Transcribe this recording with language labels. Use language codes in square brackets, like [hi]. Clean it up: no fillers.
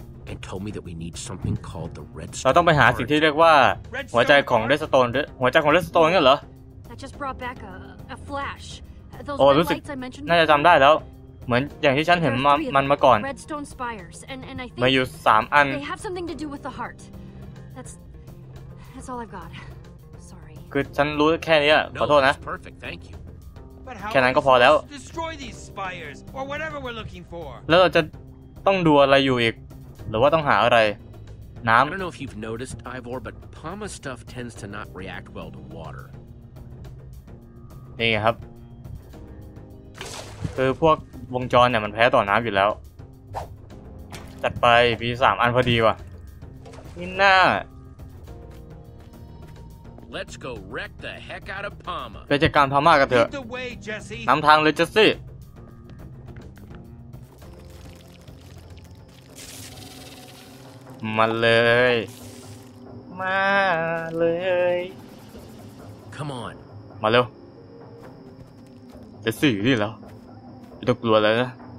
[en] and told me that we need something called the red stone. [th] เราต้องไปหาสิ่งที่เรียกว่าหัวใจของเรดสโตนหัวใจของเรดสโตนเงี้ยเหรอ [en] I just brought back a flash. Those lights I mentioned. [th] เหมือนอย่างที่ฉันเห็นมันมาก่อน [en] Redstone spires and I think [th] มันอยู่3อัน [en] They have something to do with the heart. That's all I've got. Sorry. [th] คือฉันรู้แค่นี้ขอโทษนะ [en] Perfect. Thank you. [th] แค่นั้นก็พอแล้ว [en] Destroy these spires or whatever we're looking for. [th] แล้วเราจะต้องดูอะไรอยู่อีกหรือว่าต้องหาอะไรน้ำ [en] I don't know if you've noticed Ivor but Palma stuff tends to not react well to water. [th] นี่ครับคือพวกวงจรเนี่ยมันแพ้ต่อน้ำอยู่แล้วจัดไปมี3อันพอดีว่ะนี่น่า [en] Let's go wreck the heck out of Palma [th] ไปจัดการพาม่ากันเถอะนำทางเลยเจสซี่มาเลยมาเลย [en] Come on [th] มาเร็วจะสื่อนี่แล้วไม่ต้องกลัวแล้วนะ